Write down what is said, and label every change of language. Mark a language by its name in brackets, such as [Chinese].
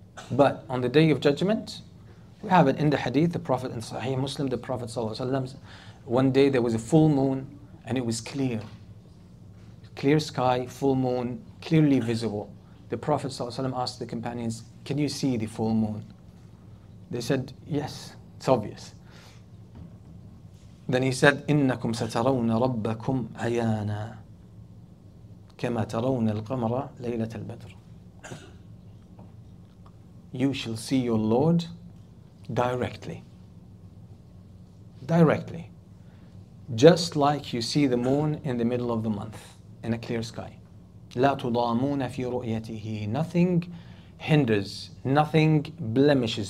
[English] But on the Day of Judgment, we have it in the hadith, the Prophet in Sahih Muslim, the Prophet ﷺ, one day there was a full moon and it was clear. Clear sky, full moon, clearly visible. The Prophet ﷺ asked the companions, can you see the full moon? They said, yes, it's obvious. [Arabic] Then he said, إِنَّكُمْ سَتَرَوْنَ رَبَّكُمْ عَيَانًا كَمَا تَرَوْنَ الْقَمَرَ لَيْلَةَ الْبَدْرِ. [English] you shall see your Lord directly. Directly. Just like you see the moon in the middle of the month in a clear sky. [Arabic] لَا تُضَامُونَ فِي رُؤْيَتِهِ. [English] Nothing hinders, nothing blemishes.